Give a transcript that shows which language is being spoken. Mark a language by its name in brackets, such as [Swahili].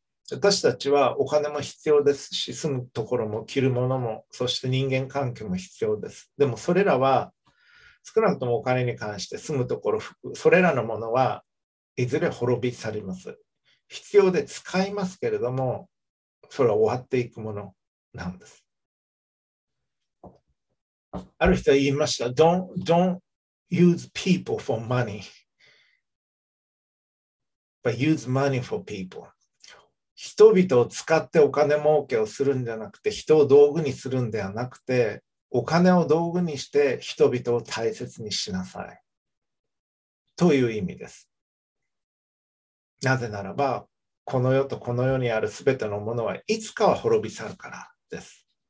[Japanese] 私たちはお金も必要ですし、住むところも着るものも、そして人間関係も必要です。でもそれらは、少なくともお金に関して住むところ服、それらのものはいずれ滅び去ります。必要で使いますけれども、それは終わっていくものなんです。ある人は言いました。 [English] Don't use people for money but use money for people。 [Japanese] 人々を使ってお金儲けをするんじゃなくて、人を道具にするんではなくて、お金を道具にして人々を大切にしなさい、という意味です。なぜならば、この世とこの世にあるすべてのものはいつかは滅び去るからです。